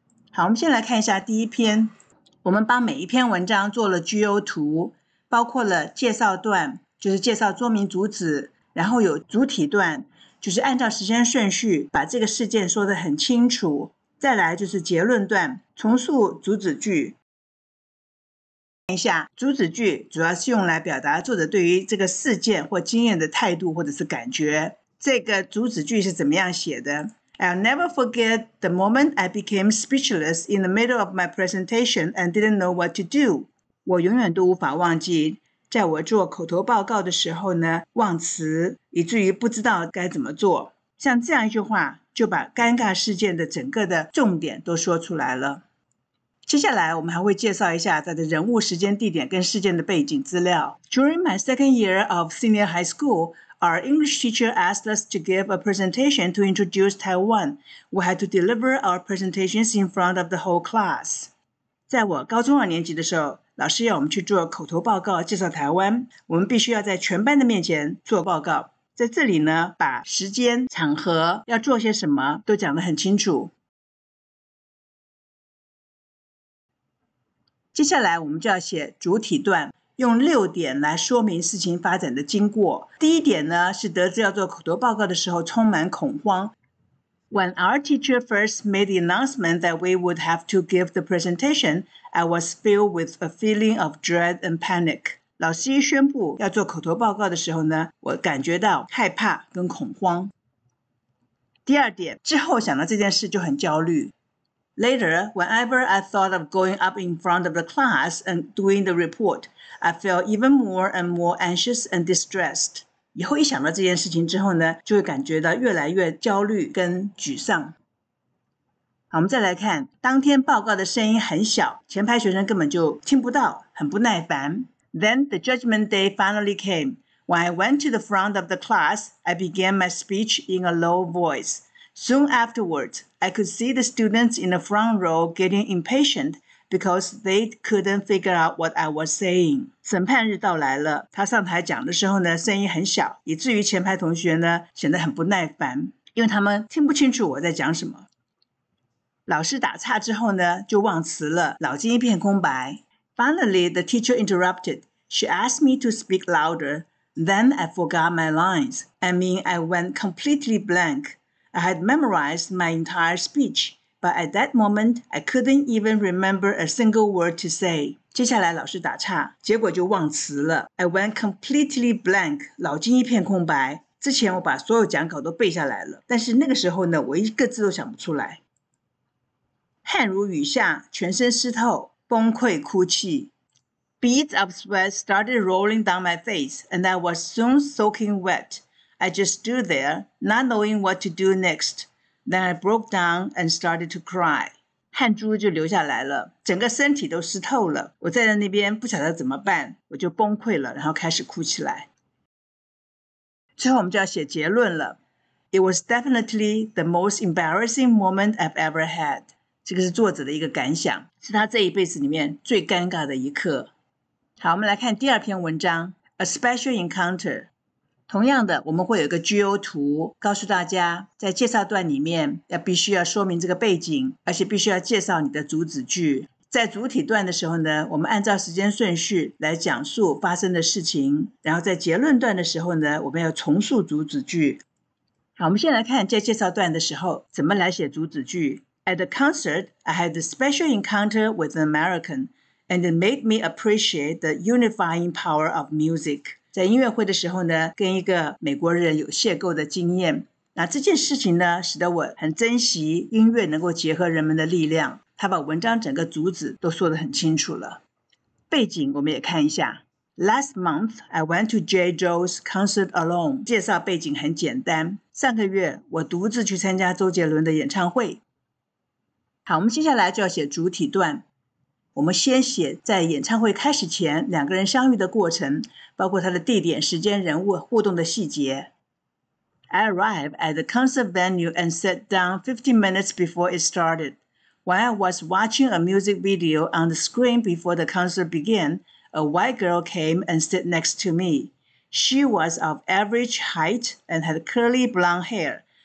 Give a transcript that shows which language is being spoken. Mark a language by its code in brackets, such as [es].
[zh] 好，我们先来看一下第一篇。我们帮每一篇文章做了 GO 图，包括了介绍段，就是介绍说明主旨，然后有主体段，就是按照时间顺序把这个事件说得很清楚。再来就是结论段，重述主旨句。看一下，主旨句主要是用来表达作者对于这个事件或经验的态度或者是感觉。这个主旨句是怎么样写的？ [en] I'll never forget the moment I became speechless in the middle of my presentation and didn't know what to do. [zh] 我永远都无法忘记在我做口头报告的时候呢，忘词，以至于不知道该怎么做。像这样一句话，就把尴尬事件的整个的重点都说出来了。接下来，我们还会介绍一下他的人物、时间、地点跟事件的背景资料。 [en] During my second year of senior high school, our English teacher asked us to give a presentation to introduce Taiwan. We had to deliver our presentations in front of the whole class. [zh] 在我高中二年级的时候，老师要我们去做口头报告介绍台湾，我们必须要在全班的面前做报告。在这里呢，把时间场合要做些什么都讲得很清楚。接下来我们就要写主体段，用六点来说明事情发展的经过。第一点呢，是得知要做口头报告的时候充满恐慌。 [en] When our teacher first made the announcement that we would have to give the presentation, I was filled with a feeling of dread and panic. [zh] 老师一宣布要做口头报告的时候呢，我感觉到害怕跟恐慌。第二点，之后想到这件事就很焦虑。 [en] Later, whenever I thought of going up in front of the class and doing the report, I felt even more and more anxious and distressed. [zh] 以后一想到这件事情之后呢，就会感觉到越来越焦虑跟沮丧。好，我们再来看，当天报告的声音很小，前排学生根本就听不到，很不耐烦。 [en] Then the judgment day finally came. When I went to the front of the class, I began my speech in a low voice. Soon afterwards, I could see the students in the front row getting impatient. Because they couldn't figure out what I was saying. [zh] 审判日到来了，他上台讲的时候呢，声音很小，以至于前排同学呢显得很不耐烦，因为他们听不清楚我在讲什么。老师打岔之后呢，就忘词了，脑筋一片空白。 [en] Finally, the teacher interrupted. She asked me to speak louder. Then I forgot my lines. I mean, I went completely blank. I had memorized my entire speech. But at that moment, I couldn't even remember a single word to say. [zh] 接下来老师打岔，结果就忘词了。 [en] I went completely blank, [zh] 脑筋一片空白。之前我把所有讲稿都背下来了，但是那个时候呢，我一个字都想不出来。汗如雨下，全身湿透，崩溃哭泣。 [en] Beads of sweat started rolling down my face, and I was soon soaking wet. I just stood there, not knowing what to do next. Then I broke down and started to cry. [zh] 汗珠就流下来了，整个身体都湿透了。我站在那边不晓得怎么办，我就崩溃了，然后开始哭起来。最后我们就要写结论了。 [en] It was definitely the most embarrassing moment I've ever had. [zh] 这个是作者的一个感想，是他这一辈子里面最尴尬的一刻。好，我们来看第二篇文章 A Special Encounter。同样的，我们会有一个 GO 图告诉大家，在介绍段里面要必须要说明这个背景，而且必须要介绍你的主旨句。在主体段的时候呢，我们按照时间顺序来讲述发生的事情，然后在结论段的时候呢，我们要重述主旨句。好，我们先来看在介绍段的时候怎么来写主旨句。 [en] At the concert, I had a special encounter with an American, and it made me appreciate the unifying power of music. [zh] 在音乐会的时候呢，跟一个美国人有邂逅的经验。那这件事情呢，使得我很珍惜音乐能够结合人们的力量。他把文章整个主旨都说得很清楚了。背景我们也看一下。 [en] Last month, I went to Jay Joe's concert alone. [zh] 介绍背景很简单。上个月，我独自去参加周杰伦的演唱会。好，我们接下来就要写主体段。我们先写在演唱会开始前两个人相遇的过程，包括他的地点、时间、人物、互动的细节。 [en] I arrived at the concert venue and sat down 15 minutes before it started. While I was watching a music video on the screen before the concert began, a white girl came and sat next to me. She was of average height and had curly blonde hair.